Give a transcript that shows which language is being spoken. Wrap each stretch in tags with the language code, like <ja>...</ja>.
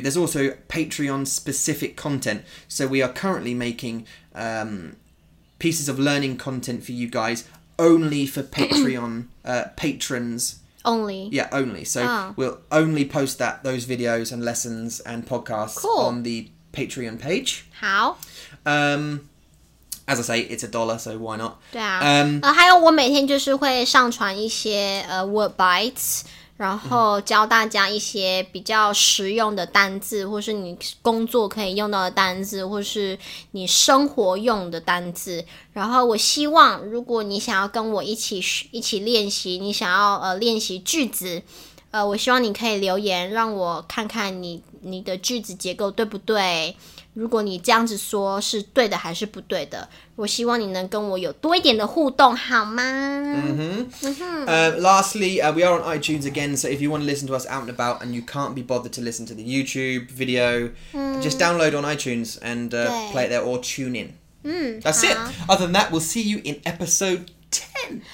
<en>There's also Patreon specific content. So we are currently making pieces of learning content for you guys only for Patreon patrons. We'll only post that those videos and lessons and podcasts on the Patreon page. As I say, it's a dollar, so why not?</en> <zh>对啊。还有我每天就是会上传一些</zh> <en>word bites，</en> <zh>然后教大家一些比较实用的单字，或是你工作可以用到的单字，或是你生活用的单字。然后我希望，如果你想要跟我一起练习，你想要练习句子，我希望你可以留言，让我看看你的句子结构对不对。如果你这样子说是对的还是不对的，我希望你能跟我有多一点的互动好吗？</zh> <en>Lastly, we are on iTunes again, so if you want to listen to us out and about and you can't be bothered to listen to the YouTube video, just download on iTunes and play it there or tune in. That's it. Other than that, we'll see you in episode 10.</en>